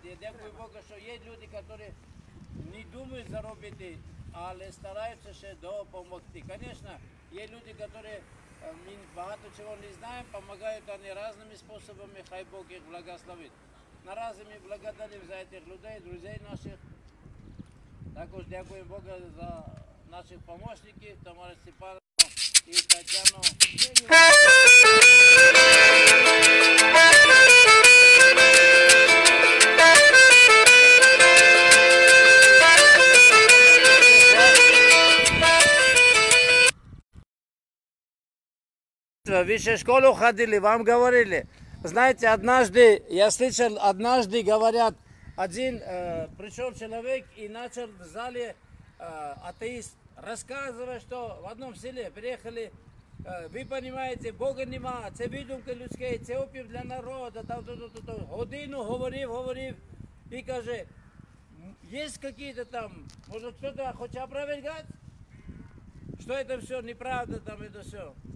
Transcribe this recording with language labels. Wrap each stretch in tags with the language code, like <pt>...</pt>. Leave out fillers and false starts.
<uk>Я дякую Богу,</uk> <ru>что есть люди, которые не думают заработать, але стараются еще допомогти. Конечно, есть люди, которые мы много чего не знаем, помогают они разными способами, хай Бог их благословит.</ru> <uk>Наразі ми благодарим за цих людей, друзей наших. Також дякуємо Богу за наших помічників, Тамару Степанівну і Тетяну. Ви ще в школу ходили, вам говорили.</uk> <ru>Знаете, однажды, я слышал, однажды говорят, один пришел человек и начал в зале атеист рассказывать, что в одном селе приехали, вы понимаете, Бога нема, это выдумка людская, это опиум для народа, там,</ru> <uk>годину говорив, и каже,</uk> <ru>есть какие-то там, может кто-то хочет опровергать, что это все неправда, там это все.</ru>